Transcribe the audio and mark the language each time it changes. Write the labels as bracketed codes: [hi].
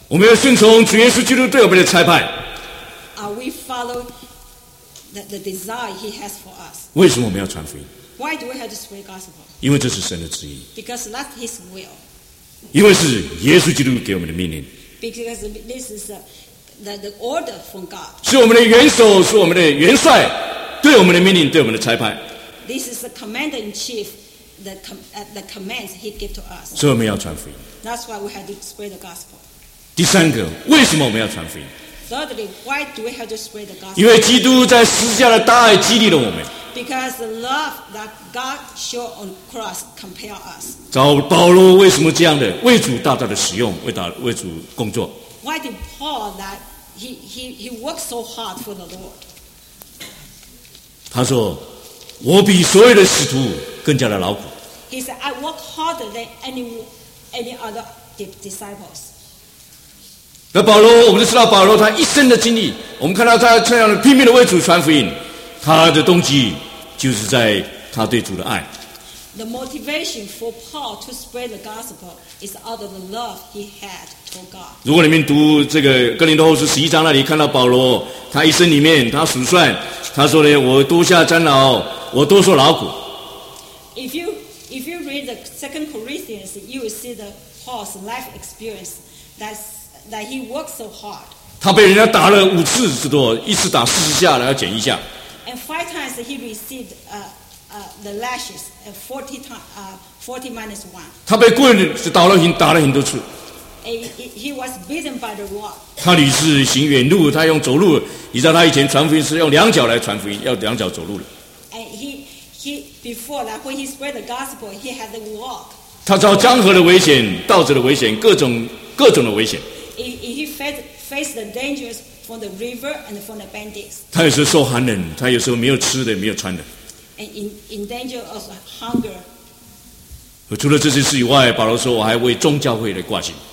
[zh] 我们要顺从主耶稣基督对我们的差派。 [en] Are we follow the desire He has for us? [zh] 为什么我们要传福音？ [en] Why do we have to spread gospel? [zh] 因为这是神的旨意。 [en] Because that's His will. [zh] 因为是耶稣基督给我们的命令。 [en] Because this is the order from God. [zh] 是我们的元首，是我们的元帅，对我们的命令，对我们的差派。 [en] This is the commander in chief, the commands He gave to us. [zh] 所以我们要传福音。 [en] That's why we have to spread the gospel. [zh] 第三个，为什么我们要传福音？ [en] Thirdly, why do we have to spread the gospel? [zh] 因为基督在十字架的大爱激励了我们。 [en] Because the love that God showed on cross compelled us. [zh] 找保罗为什么这样的为主大大的使用为主工作 [en] ？Why did Paul that he worked so hard for the Lord? [zh] 他说，我比所有的使徒更加的劳苦。 [en] He said, "I work harder than any other disciples." [zh] 那保罗，我们都知道保罗他一生的经历，我们看到他这样的拼命的为主传福音。他的动机就是在他对主的爱。 [en] The motivation for Paul to spread the gospel is out of the love he had for God. [zh] 如果你们读这个哥林多后书十一章那里，看到保罗，他一生里面他数算，他说呢，我多下沾劳，我多受劳苦。 [en] If you read the Second Corinthians, you will see the Paul's life experience that he worked so hard. [zh] 他被人家打了五次之多，一次打四十下，然后减一下。 [en] And five times he received the lashes, and 40 times, 40 minus one. [zh] 他被棍子打了很打了很多次。 [en] He was beaten by the rod. [zh] 他屡次行远路，他用走路。你知道他以前传福音是用两脚来传福音，要两脚走路的。 [en] And he before that when he spread the gospel, he had to walk. [zh] 他遭江河的危险、盗贼的危险、各种的危险。 [en] He faced the dangers. From the river and from the bandits. [zh] 他有时候受寒冷，他有时候没有吃的，没有穿的。 [en] And in danger of hunger. [zh] 除了这些事以外，保罗说我还为众教会来挂心。